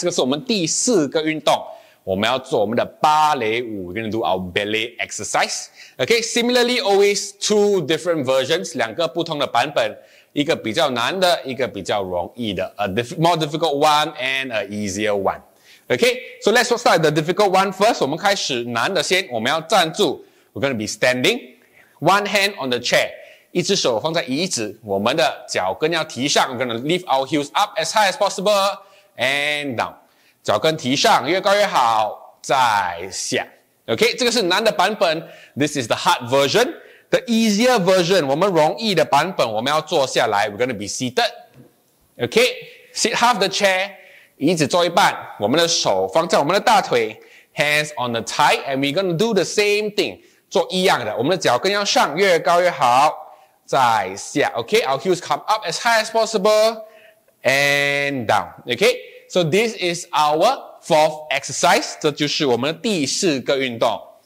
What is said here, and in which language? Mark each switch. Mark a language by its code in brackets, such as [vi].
[zh] 这个是我们第四个运动。我们要做我们的芭蕾舞。 [en] We're going to do our ballet exercise. Okay, similarly, always two different versions. [zh] 两个不同的版本。一个比较难的，一个比较容易的。 [en] A more difficult one and an easier one. Okay, so let's start the difficult one first. [zh] 我们开始难的先。我们要站住。 [en] We're going to be standing. One hand on the chair. [zh] 一只手放在椅子。我们的脚跟要提上。 [en] We're going to lift our heels up as high as possible. And down. [zh] 脚跟提上，越高越好，再下。 [en] OK, [zh] 这个是难的版本。 [en] This is the hard version. The easier version, [zh] 我们容易的版本，我们要坐下来。 [en] We're going to be seated. [zh] OK, [en] sit half the chair, [zh] 椅子坐一半，我们的手放在我们的大腿， [en] hands on the thigh, and we're going to do the same thing, [zh] 做一样的。我们的脚跟要上，越高越好，再下。 [en] OK, our heels come up as high as possible, and down. OK? So this is our fourth exercise. [zh] 这就是我们的第四个运动。